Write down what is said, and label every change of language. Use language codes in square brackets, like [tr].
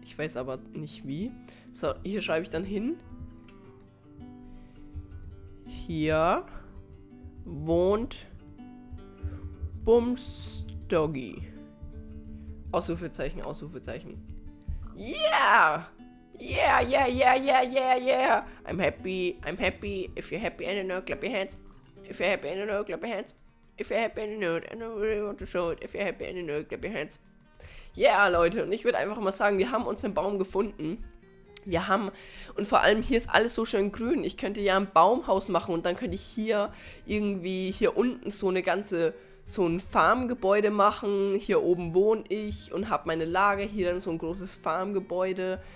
[de] Ich weiß aber nicht wie. So, hier schreibe ich dann hin. Hier wohnt Bumsdoggy. Ausrufezeichen, Ausrufezeichen. [en] Yeah! Yeah, yeah, yeah, yeah, yeah, yeah. I'm happy, if you're happy, I don't know, clap your hands. If you're happy, I don't know, clap your hands. If you're happy, I don't know, I don't really want to show it. If you're happy, I don't know, clap your hands. [de] Yeah, Leute, und ich würde einfach mal sagen, wir haben uns einen Baum gefunden. Wir haben, und vor allem hier ist alles so schön grün. Ich könnte ja ein Baumhaus machen und dann könnte ich hier irgendwie hier unten so eine ganze, so ein Farmgebäude machen. Hier oben wohne ich und habe meine Lager, hier dann so ein großes Farmgebäude.